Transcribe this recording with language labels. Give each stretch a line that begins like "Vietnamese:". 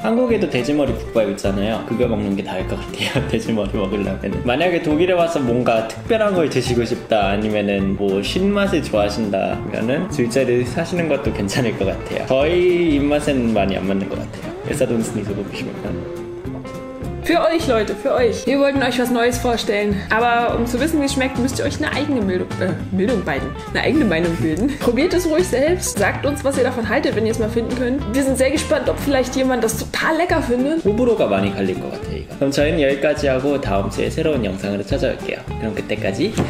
Korean: 한국에도 돼지머리 국밥 있잖아요. 그거 먹는 게 나을 것 같아요. 돼지머리 먹으려면 만약에 독일에 와서 뭔가 특별한 걸 드시고 싶다 아니면은 뭐 신맛을 좋아하신다면은 술제를 사시는 것도 괜찮을 것 같아요. 저희 입맛에는 많이 안 맞는 것 같아요.
German: Es hat uns nicht so gut geschmeckt. Für euch, Leute, für euch. Wir wollten euch was Neues vorstellen. Aber um zu wissen, wie es schmeckt, müsst ihr euch eine eigene Meinung bilden. Probiert es ruhig selbst. Sagt uns, was ihr davon haltet, wenn ihr es mal finden könnt. Wir sind sehr gespannt, ob vielleicht jemand das total lecker findet.
Korean: 호불호가 많이 갈릴 것 같아요. 그럼 저희는 여기까지 하고 다음 주에 새로운 영상으로 찾아올게요. 그럼 그때까지